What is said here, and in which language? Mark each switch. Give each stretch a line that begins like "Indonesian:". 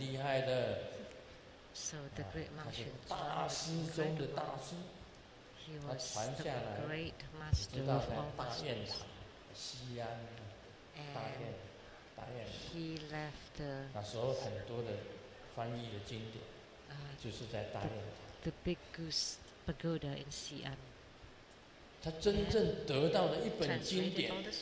Chinese: 玄奘大师是很厉害的。
English: So the great master,
Chinese: 他是大师中的大师。
English: He was the great master of all masters.
Chinese: 西安大雁塔。
English: He left the
Chinese: 那时候很多的翻译的经典，就是在大雁塔。
English: The big goose pagoda in Xi'an.
Chinese: 他真正得到的一本经典。